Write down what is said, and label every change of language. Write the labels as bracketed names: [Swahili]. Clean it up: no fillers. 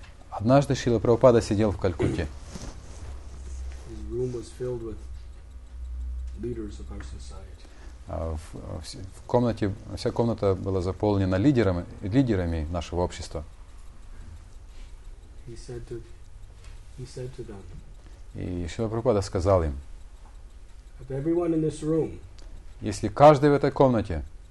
[Russian] Однажды Шрила Прабхупада сидел в Калькутте. [English] His room was filled with leaders of our society. [Russian] В комнате, вся комната была заполнена лидерами нашего общества. [English] He said to them. [Russian] И Шрила Прабхупада сказал им: [English] If everyone in this room, [Russian] если каждый в этой комнате,